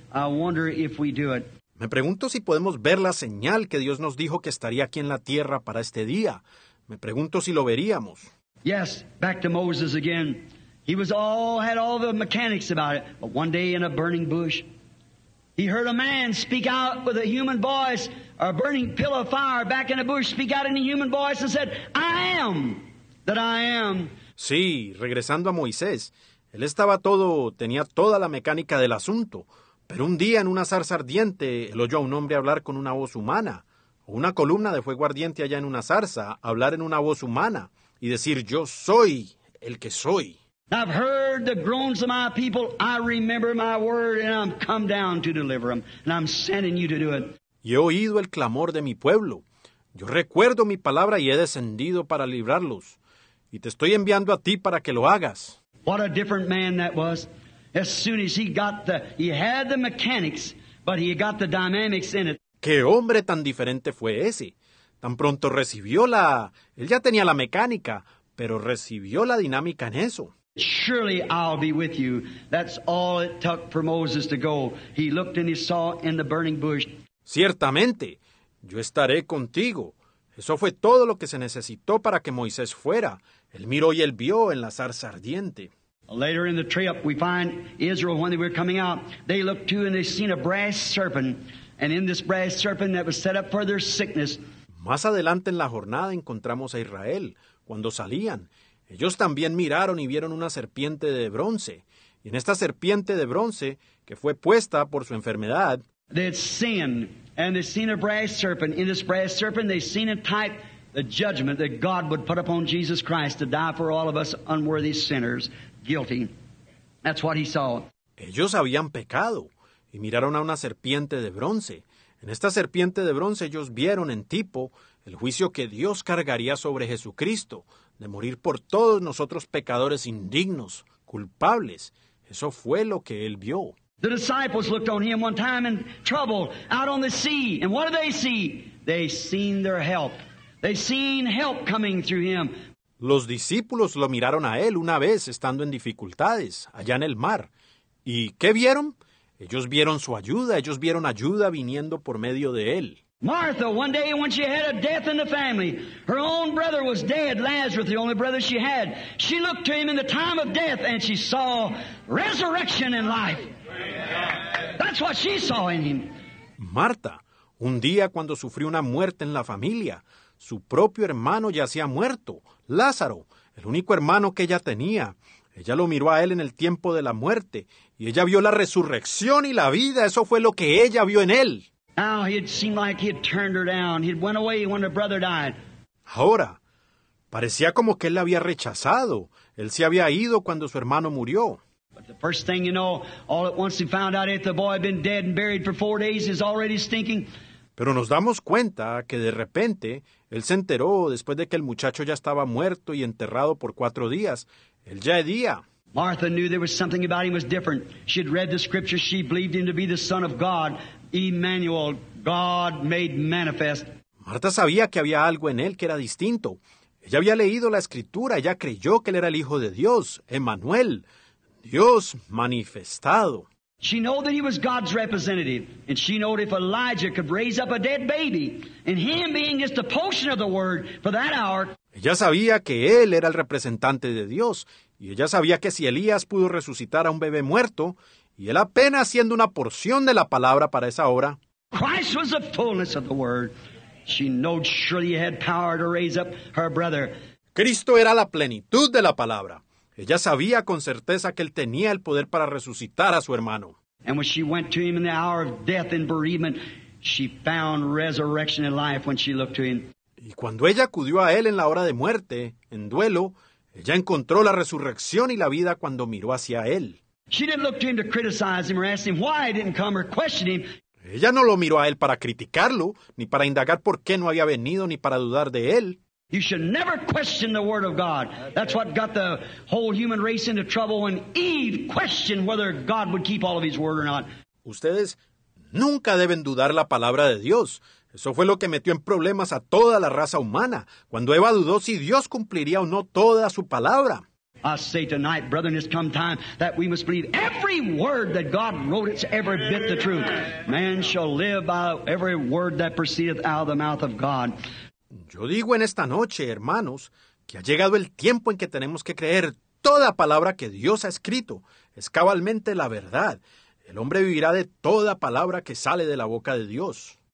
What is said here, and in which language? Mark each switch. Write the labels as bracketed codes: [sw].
[en] I wonder if we do it. [es] Me pregunto si podemos ver la señal que Dios nos dijo que estaría aquí en la tierra para este día. Me pregunto si lo veríamos. [en] Yes, back to Moses again. He was had all the mechanics about it, but one day in a burning bush, he heard a man speak out with a human voice, a burning pillar of fire back in a bush, speak out in a human voice and said, I am that I am. [es] Sí, regresando a Moisés, él estaba todo, tenía toda la mecánica del asunto, pero un día en una zarza ardiente, él oyó a un hombre hablar con una voz humana, o una columna de fuego ardiente allá en una zarza, hablar en una voz humana y decir, yo soy el que soy. [en] I've heard the groans of my people. I remember my word, and I'm come down to deliver them, and I'm sending you to do it. [es] Y he oído el clamor de mi pueblo. Yo recuerdo mi palabra y he descendido para librarlos. Y te estoy enviando a ti para que lo hagas. [en] What a different man that was! As soon as he had the mechanics, but he got the dynamics in it. [es] ¿Qué hombre tan diferente fue ese? Tan pronto recibió la, él ya tenía la mecánica, pero recibió la dinámica en eso. [en] Surely I'll be with you. That's all it took for Moses to go. He looked and he saw in the burning bush. [es] Ciertamente, yo estaré contigo. Eso fue todo lo que se necesitó para que Moisés fuera. Él miró y él vio en la zarza ardiente. [en] Later in the trip, we find Israel, when they were coming out, they looked too and they seen a brass serpent. And in this brass serpent that was set up for their sickness. [es] Más adelante en la jornada encontramos a Israel, cuando salían. Ellos también miraron y vieron una serpiente de bronce. Y en esta serpiente de bronce, que fue puesta por su enfermedad, [en] they'd sinned, and they seen a brass serpent. In this brass serpent, they seen a type, the judgment that God would put upon Jesus Christ to die for all of us unworthy sinners, guilty. That's what he saw. [es] Ellos habían pecado, y miraron a una serpiente de bronce. En esta serpiente de bronce, ellos vieron en tipo el juicio que Dios cargaría sobre Jesucristo, de morir por todos nosotros pecadores indignos, culpables. Eso fue lo que él vio. [en] The disciples looked on him one time in trouble, out on the sea. And what did they see? They seen their help. They seen help coming through him. [es] Los discípulos lo miraron a él una vez estando en dificultades, allá en el mar. ¿Y qué vieron? Ellos vieron su ayuda. Ellos vieron ayuda viniendo por medio de él. [en] Martha, one day when she had a death in the family, her own brother was dead, Lazarus, the only brother she had. She looked to him in the time of death and she saw resurrection and life. That's what she saw in him. [es] Marta, un día cuando sufrió una muerte en la familia, su propio hermano yacía muerto, Lázaro, el único hermano que ella tenía. Ella lo miró a él en el tiempo de la muerte y ella vio la resurrección y la vida. Eso fue lo que ella vio en él. [en] Now it seemed like he'd turned her down. He'd went away when her brother died. [es] Ahora, parecía como que él la había rechazado. Él se había ido cuando su hermano murió. [en] But the first thing you know, all at once he found out if the boy had been dead and buried for 4 days, he's already stinking. [es] Pero nos damos cuenta que de repente, él se enteró después de que el muchacho ya estaba muerto y enterrado por 4 días. Él ya hedía. [en] Martha knew there was something about him was different. She had read the scriptures. She believed him to be the Son of God. Emmanuel, God made manifest. [es] Marta sabía que había algo en él que era distinto. Ella había leído la escritura, ella creyó que él era el Hijo de Dios, Emmanuel, Dios manifestado. [en] She knew that he was God's representative, and she knew if Elijah could raise up a dead baby, and him being just a portion of the word for that hour. [es] Ella sabía que él era el representante de Dios, y ella sabía que si Elías pudo resucitar a un bebé muerto, y él apenas siendo una porción de la palabra para esa obra. [en] Christ was the fullness of the word. She knowed surely he had power to raise up her brother. [es] Cristo era la plenitud de la palabra. Ella sabía con certeza que él tenía el poder para resucitar a su hermano. [en] And when she went to him in the hour of death and bereavement, she found resurrection and life when she looked to him. [es] Y cuando ella acudió a él en la hora de muerte, en duelo, ella encontró la resurrección y la vida cuando miró hacia él. [en] She didn't look to him to criticize him or ask him why he didn't come or question him. [es] Ella no lo miró a él para criticarlo, ni para indagar por qué no había venido, ni para dudar de él. [en] You should never question the word of God. That's what got the whole human race into trouble when Eve questioned whether God would keep all of his word or not. [es] Ustedes nunca deben dudar la palabra de Dios. Eso fue lo que metió en problemas a toda la raza humana, cuando Eva dudó si Dios cumpliría o no toda su palabra. [en] I say tonight, brethren, it's come time that we must believe every word that God wrote. It's every bit the truth. Man shall live by every word that proceedeth out of the mouth of God. [es] Yo digo en esta noche, hermanos, que ha llegado el tiempo en que tenemos que creer toda palabra que Dios ha escrito. Es cabalmente la verdad. El hombre vivirá de toda palabra que sale de la boca de Dios.